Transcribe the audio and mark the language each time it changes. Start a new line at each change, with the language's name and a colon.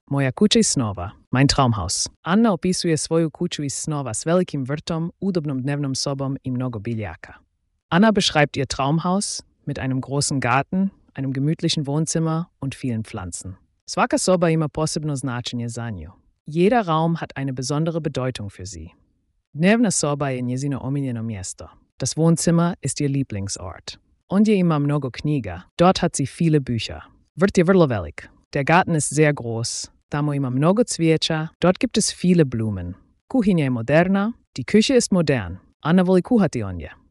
Croatian: Moja kuća i snova.
German: Mein Traumhaus.
Croatian: Anna opisuje svoju kuću iz snova s velikim vrtom, udobnom dnevnom sobom i mnogo biljaka.
German: Anna beschreibt ihr Traumhaus mit einem großen Garten, einem gemütlichen Wohnzimmer und vielen Pflanzen.
Croatian: Svaka soba ima posebno značenje za nju.
German: Jeder Raum hat eine besondere Bedeutung für sie.
Croatian: Dnevna soba je njezino omiljeno mjesto.
German: Das Wohnzimmer ist ihr Lieblingsort.
Croatian: Und je ima mnogo knjiga.
German: Dort hat sie viele Bücher.
Croatian: Vrt je vrlo velik.
German: Der Garten ist sehr groß.
Croatian: Tamo ima mnogo cvijeća.
German: Dort gibt es viele Blumen.
Croatian: Kuhinja je moderna.
German: Die Küche ist modern.
Croatian: Anna voli kuhati ondje.